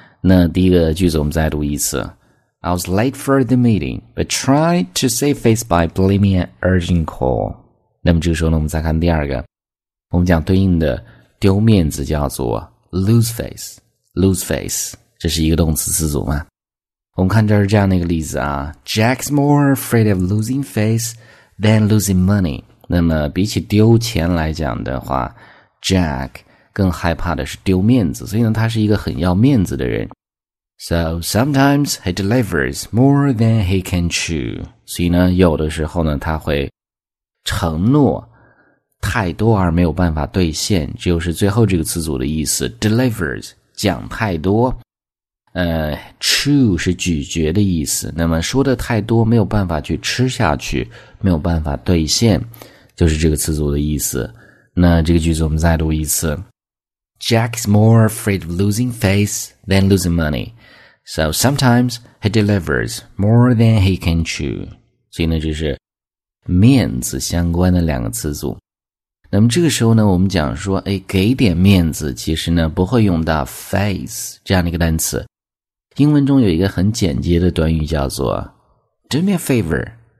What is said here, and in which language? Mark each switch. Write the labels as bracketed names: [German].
[Chinese] 那第一个句子我们再读一次 [English] I was late for the meeting but tried to save face by blaming an urgent call [Chinese] 那么这个时候呢我们再看第二个我们讲对应的丢面子叫做 lose face lose face 这是一个动词词组吗我们看这是这样的一个例子啊 [English] Jack's more afraid of losing face than losing money [Chinese] 那么比起丢钱来讲的话 Jack更害怕的是丢面子，所以呢，他是一个很要面子的人。 [English] So sometimes he delivers more than he can chew. [Chinese] 所以呢，有的时候呢，他会承诺太多而没有办法兑现，就是最后这个词组的意思。 Delivers 讲太多，chew 是咀嚼的意思。那么说的太多没有办法去吃下去，没有办法兑现，就是这个词组的意思。那这个句子我们再读一次。 [English] Jack's more afraid of losing face than losing money. So sometimes he delivers more than he can chew. [Chinese] 所以呢就是面子相关的两个词组。那么这个时候呢我们讲说哎，给点面子其实呢不会用到 face 这样的一个单词。英文中有一个很简洁的短语叫做 [English] Do me a favor.